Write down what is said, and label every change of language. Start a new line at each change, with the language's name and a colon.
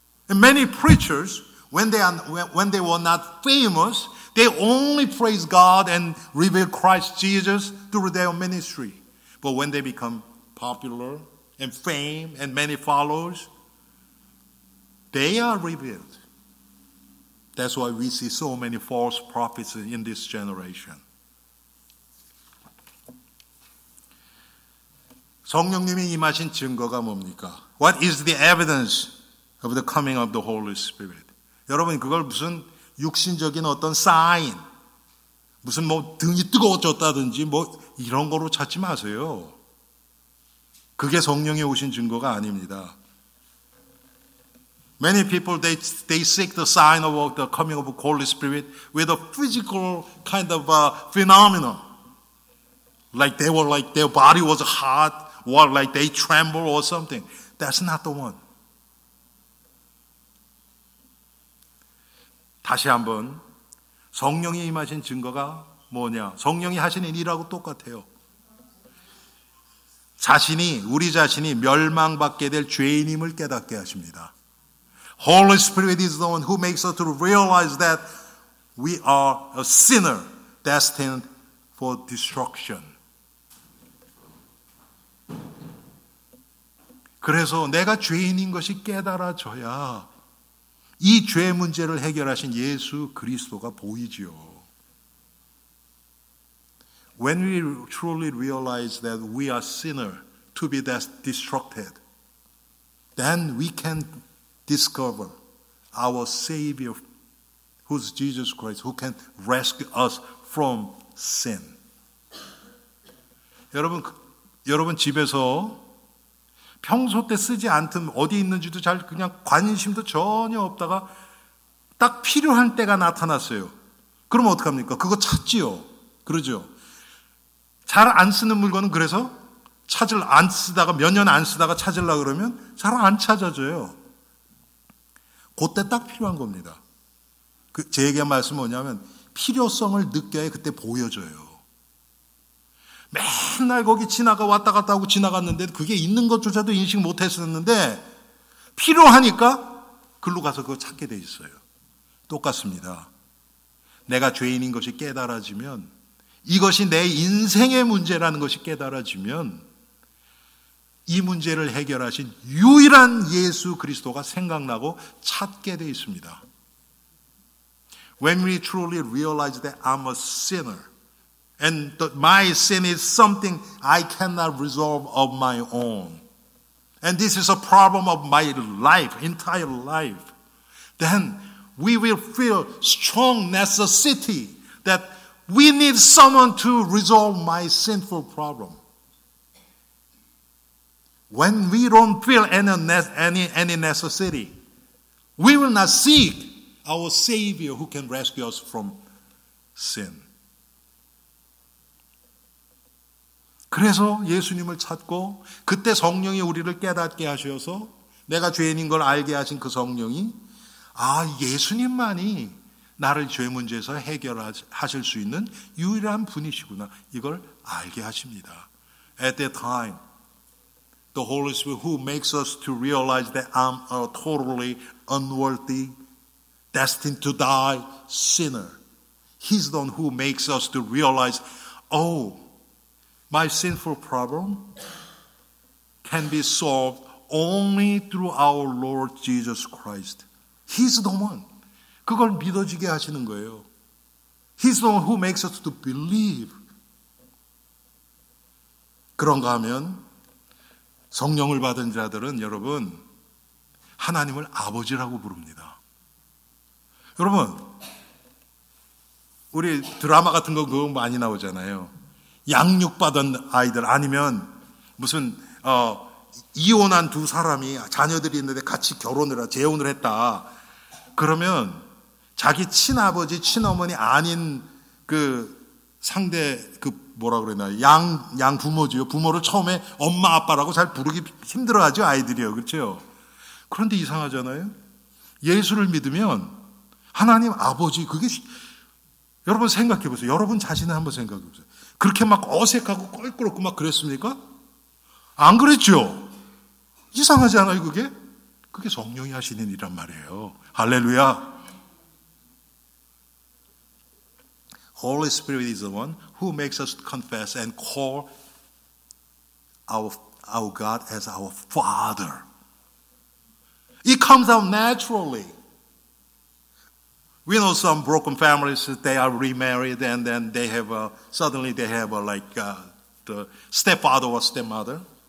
English: And many preachers, when they were not famous, they only praise God and reveal Christ Jesus through their ministry. But when they become popular and fame and many followers, they are revealed. That's why we see so many false prophets in this generation.
Korean: 성령님이 임하신 증거가 뭡니까?
English: What is the evidence of the coming of the Holy Spirit?
Korean: 여러분, 그걸 무슨 육신적인 어떤 sign, 무슨 뭐 등이 뜨거워졌다든지 뭐 이런 거로 찾지 마세요. 그게 성령이 오신 증거가 아닙니다.
English: Many people, they seek the sign of the coming of the Holy Spirit with a physical kind of a phenomenon. Like they were like their body was hot, or like they trembled or something. That's not the one.
Korean: 다시 한번, 성령이 임하신 증거가 뭐냐? 성령이 하신 일이라고 똑같아요. 자신이, 우리 자신이 멸망받게 될 죄인임을 깨닫게 하십니다.
English: Holy Spirit is the one who makes us to realize that we are a sinner destined for destruction.
Korean: 그래서 내가 죄인인 것이 깨달아져야 이 죄 문제를 해결하신 예수 그리스도가 보이지요.
English: When we truly realize that we are sinner to be destructed, then we can discover our Savior, who's Jesus Christ, who can rescue us from sin.
Korean: 여러분 집에서 평소 때 쓰지 않든 어디 있는지도 잘 그냥 관심도 전혀 없다가 딱 필요한 때가 나타났어요. 그럼 어떡합니까? 그거 찾지요. 그러죠. 잘 안 쓰는 물건은 그래서 찾을 안 쓰다가 몇 년 안 쓰다가 찾으려고 그러면 잘 안 찾아져요. 그때 딱 필요한 겁니다. 그 제게 말씀 뭐냐면 필요성을 느껴야 그때 보여줘요. 맨날 거기 지나가 왔다 갔다 하고 지나갔는데 그게 있는 것조차도 인식 못했었는데 필요하니까 글로 가서 그거 찾게 돼 있어요. 똑같습니다. 내가 죄인인 것이 깨달아지면, 이것이 내 인생의 문제라는 것이 깨달아지면, 이 문제를 해결하신 유일한 예수 그리스도가 생각나고 찾게 돼 있습니다.
English: When we truly realize that I'm a sinner and my sin is something I cannot resolve of my own and this is a problem of my life, entire life, then we will feel strong necessity that we need someone to resolve my sinful problem. When we don't feel any necessity, we will not seek our Savior who can rescue us from sin.
Korean: 그래서 예수님을 찾고 그때 성령이 우리를 깨닫게 하셔서 내가 죄인인 걸 알게 하신 그 성령이 아 예수님만이 나를 죄 문제에서 해결하실 수 있는 유일한 분이시구나 이걸 알게 하십니다.
English: At that time, the Holy Spirit who makes us to realize that I'm a totally unworthy, destined to die sinner. He's the one who makes us to realize, oh, my sinful problem can be solved only through our Lord Jesus Christ. He's the one.
Korean: 그걸 믿어지게 하시는 거예요.
English: He's the one who makes us to believe.
Korean: 그런가 하면 성령을 받은 자들은 여러분 하나님을 아버지라고 부릅니다. 여러분 우리 드라마 같은 거 그거 많이 나오잖아요. 양육받은 아이들 아니면 무슨 이혼한 두 사람이 자녀들이 있는데 같이 결혼을 재혼을 했다. 그러면 자기 친아버지, 친어머니 아닌 그 상대 그 뭐라 그러나요? 양 부모지요. 부모를 처음에 엄마 아빠라고 잘 부르기 힘들어하죠 아이들이요, 그렇죠? 그런데 이상하잖아요. 예수를 믿으면 하나님 아버지 그게 여러분 생각해 보세요. 여러분 자신을 한번 생각해 보세요. 그렇게 막 어색하고 껄끄럽고 막 그랬습니까? 안 그랬죠. 이상하지 않아요 그게? 그게 성령이 하시는 일이란 말이에요. 할렐루야.
English: Holy Spirit is the one who makes us confess and call our God as our Father. It comes out naturally. We know some broken families, they are remarried and then they have, suddenly they have the stepfather or stepmother.